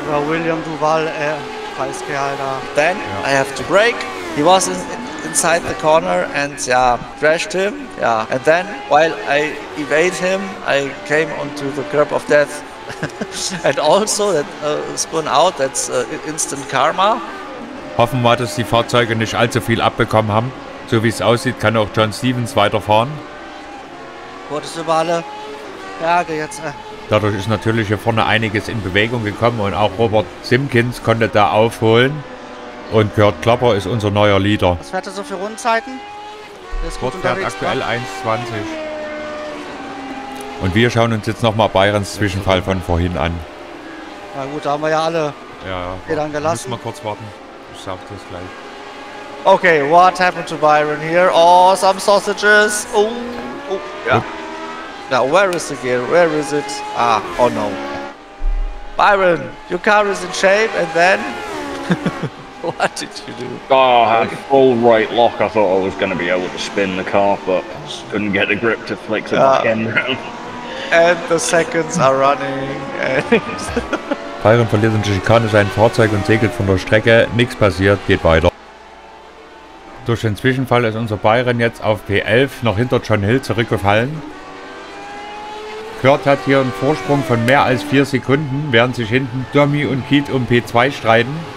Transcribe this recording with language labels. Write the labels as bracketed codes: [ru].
[en] William Duval, Then yeah. I have to brake. He was inside the corner and crashed him. Yeah. And then while I evade him, I came onto the curb of death. And also that spun out, that's instant karma. [de] Hoffen wir, dass die Fahrzeuge nicht allzu viel abbekommen haben. So wie es aussieht, kann auch John Stevens weiterfahren. Gottes Überalle, Berge jetzt. Dadurch ist natürlich hier vorne einiges in Bewegung gekommen und auch Robert Simkins konnte da aufholen. Und Kurt Klapper ist unser neuer Leader. Was fährt er so für Rundzeiten? Kurt fährt aktuell 1,20. Und wir schauen uns jetzt nochmal Bayerns Zwischenfall von vorhin an. Na gut, da haben wir ja alle Federn gelassen. Müssen wir kurz warten. Ich sag das gleich. [en] Okay, what happened to Byron here? Oh, some sausages. Oh, oh, ja. Now, where is the gear? Where is it? Ah, oh no. Byron, your car is in shape and then... What did you do? Oh, I had full right lock. I thought I was going to be able to spin the car, but couldn't get the grip to flick the back end round. And the seconds are running. [de] Byron verliert in der Schikane sein Fahrzeug und segelt von der Strecke. Nichts passiert, geht weiter. Durch den Zwischenfall ist unser Byron jetzt auf P11 noch hinter John Hill zurückgefallen. Kurt hat hier einen Vorsprung von mehr als 4 Sekunden, während sich hinten Tommy und Keith um P2 streiten.